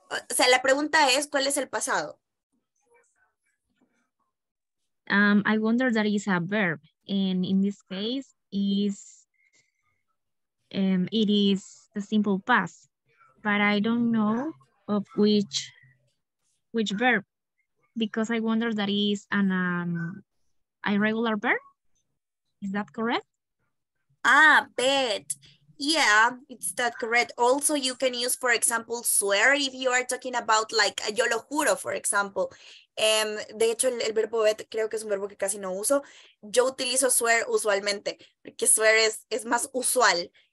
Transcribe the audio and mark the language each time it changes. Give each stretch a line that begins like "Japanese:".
Spanish: O sea, la pregunta es, ¿cuál es el pasado?
English: I wonder that is a verb. And in this case, it is the simple past. But I don't know of which verb. Because I wonder that is an irregular verb. Is that correct? Ah, bet. Yeah, it's that correct. Also, you can use, for example, swear if you are talking about, like,
Spanish: yo lo juro,
English: for example.
Spanish: De hecho, el verbo bet creo que es un verbo que casi no uso. Yo utilizo swear usualmente, porque swear es más usual.